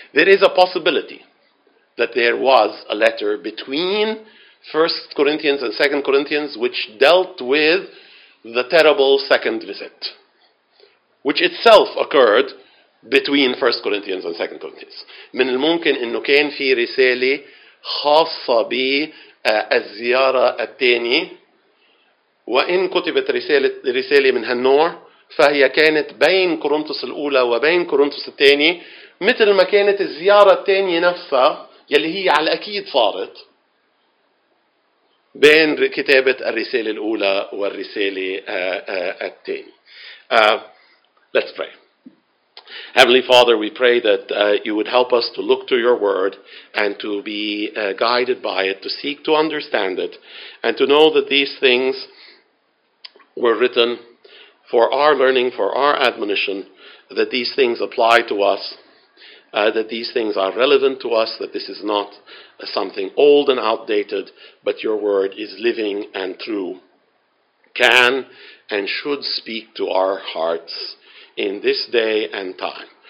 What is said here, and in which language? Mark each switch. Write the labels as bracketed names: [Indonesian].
[English] There is a possibility that there was a letter between 1 Corinthians and 2 Corinthians which dealt with the terrible second visit, which itself occurred between 1 Corinthians and 2 Corinthians. [Arabic] من الممكن إنه كان في رسالة خاصة بالزيارة الثانية وإن كتبت رسالة من هالنوع فهي كانت بين كورنثوس الأولى وبين كورنثوس الثاني مثل ما كانت الزيارة الثانية نفسها يلي هي على الأكيد صارت بين كتابة الرسالة الأولى والرسالة الثانية. [English] Let's pray. Heavenly Father, we pray that you would help us to look to your word and to be guided by it, to seek to understand it, and to know that these things were written for our learning, for our admonition, that these things apply to us, that these things are relevant to us, that this is not something old and outdated, but your word is living and true, can and should speak to our hearts in this day and time.